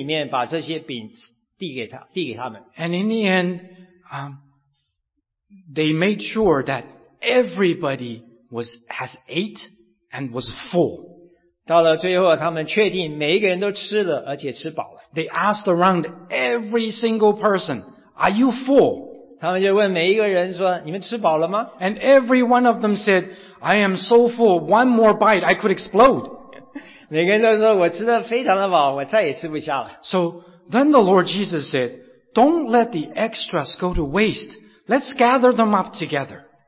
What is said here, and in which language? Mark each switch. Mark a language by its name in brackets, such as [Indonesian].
[Chinese] 那门徒就走到那一排一排的人群里面，把这些饼递给他们。 [English] And in the end, they made sure that everybody has ate and was full. [Chinese] 到了最后，他们确定每一个人都吃了，而且吃饱了。 [English] They asked around every single person, "Are you full?" [Chinese] 他们就问每一个人说，你们吃饱了吗？ [English] And every one of them said, "I am so full. One more bite, I could explode." [Chinese] 每个人都说我吃得非常的饱，我再也吃不下了。 [English] So then the Lord Jesus said, "Don't let the extras go to waste. Let's gather them up together."